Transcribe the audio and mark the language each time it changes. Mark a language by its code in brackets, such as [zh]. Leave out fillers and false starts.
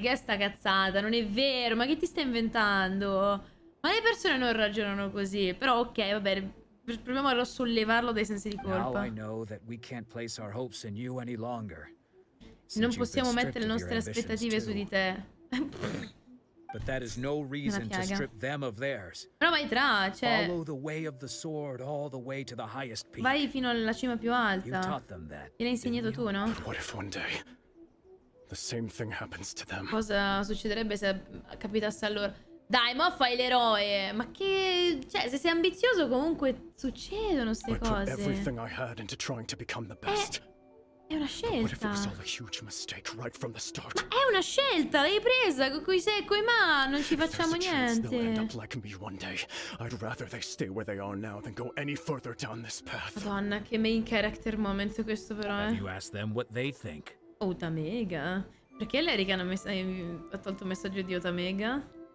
[it] Che è sta cazzata? Non è vero. Ma che ti stai inventando? Ma le persone non ragionano così. Però ok, vabbè, proviamo a sollevarlo dai sensi di colpa. Non possiamo mettere le nostre aspettative su di te. [en] But that is no reason to strip them of theirs. [it] Però vai tra, cioè. [en] Follow the way of the sword all the way to the highest peak. [it] Vai fino alla cima più alta. Gliel'hai insegnato tu, no? [en] What if one day the same thing happens to them? [it] Cosa succederebbe se capitasse a loro? Dai, mo fai l'eroe. Ma che, cioè, se sei ambizioso comunque succedono ste cose. [en] Put everything I had into trying to become the best. [it] È una scelta. [en] What if it was all a huge mistake right from the start? [it] Ma è una scelta, l'hai presa, con cui sei e coi ma, non ci facciamo niente. Madonna, che [en] main character moment [it] questo però, eh. [en] Have you asked them what they think? [it] Otamega. Perché l'Erika non ha tolto il messaggio di Otamega?